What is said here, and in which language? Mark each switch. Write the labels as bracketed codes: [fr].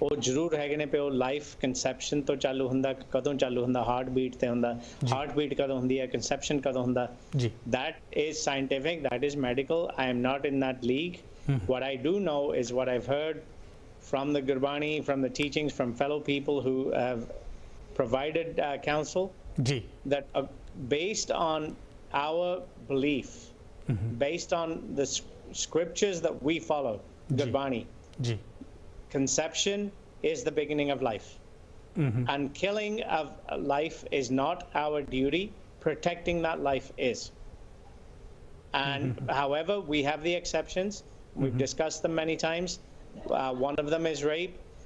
[pa] ਉਹ ਜ਼ਰੂਰ ਹੈਗੇ ਨੇ ਵੀ ਉਹ ਲਾਈਫ ਕਨਸੈਪਸ਼ਨ ਤੋਂ ਚਾਲੂ ਹੁੰਦਾ ਕਦੋਂ ਚਾਲੂ ਹੁੰਦਾ ਹਾਰਟ ਬੀਟ 'ਤੇ ਹੁੰਦਾ ਹਾਰਟ ਬੀਟ ਕਦੋਂ ਹੁੰਦੀ ਹੈ ਕਨਸੈਪਸ਼ਨ ਕਦੋਂ ਹੁੰਦਾ ਜੀ [en] that is scientific that is medical I am not in that league what I do know is what I've heard from the Gurbani from the teachings from fellow people who have provided counsel ਜੀ that based on our belief based on the scriptures that we follow gurbani ji conception is the beginning of life and killing of life is not our duty protecting that life is and however we have the exceptions we've discussed them many times one of them is rape